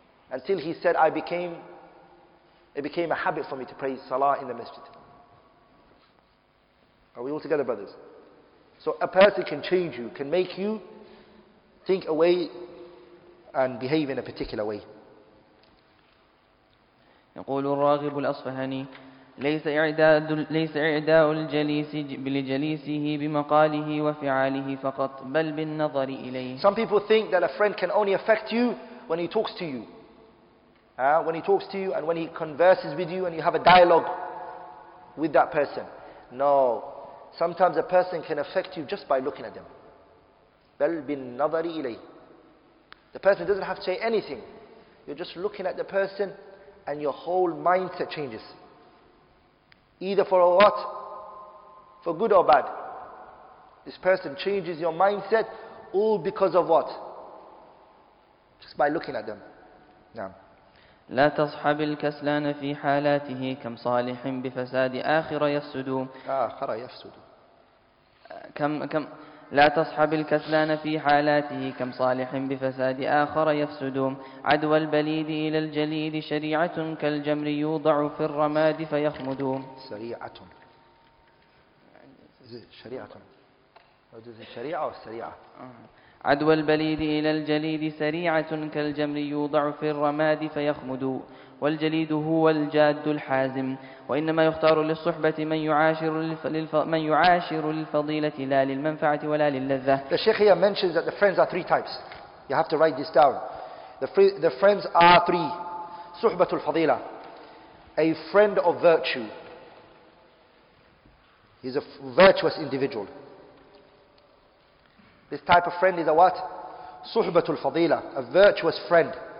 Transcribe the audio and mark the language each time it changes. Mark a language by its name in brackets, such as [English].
[English] Until he said, it became a habit for me to pray Salah in the masjid. Are we all together, brothers? So a person can change you, can make you think a way and behave in a particular way. [Arabic] يقول الراغب الأصفهاني ليس إعداء الجليس لجليسه بمقاله وفعاله فقط بل بالنظر إليه. [English] Some people think that a friend can only affect you when he talks to you. When he talks to you and when he converses with you and you have a dialogue with that person. No. Sometimes a person can affect you just by looking at them. [Arabic] بَلْ بِالنَّظَرِ إِلَيْهِ. [English] The person doesn't have to say anything. You're just looking at the person and your whole mindset changes. Either for a what? for good or bad. This person changes your mindset all because of what? Just by looking at them. Now. [Arabic] لا تصحب الكسلان في حالاته كم صالح بفساد آخر يفسد. آخر يفسد. كم لا تصحب الكسلان في حالاته كم صالح بفساد آخر يفسد. عدوى البليد إلى الجليد شريعة كالجمر يوضع في الرماد فيخمد. سريعة. شريعة. الشريعة والسريعة. عدوى البليد إلى الجليد سريعة كالجمر يوضع في الرماد فيخمد. والجليد هو الجاد الحازم. وإنما يختار للصحبة من يعاشر للفضيلة لا للمنفعة ولا للذة. [English] The Sheikh here mentions that the friends are three types. You have to write this down. The friends are three. [Arabic] صحبة الفضيلة. [English] A friend of virtue. He's a virtuous individual. This type of friend is a what? Suhbatul Fadila, a virtuous friend.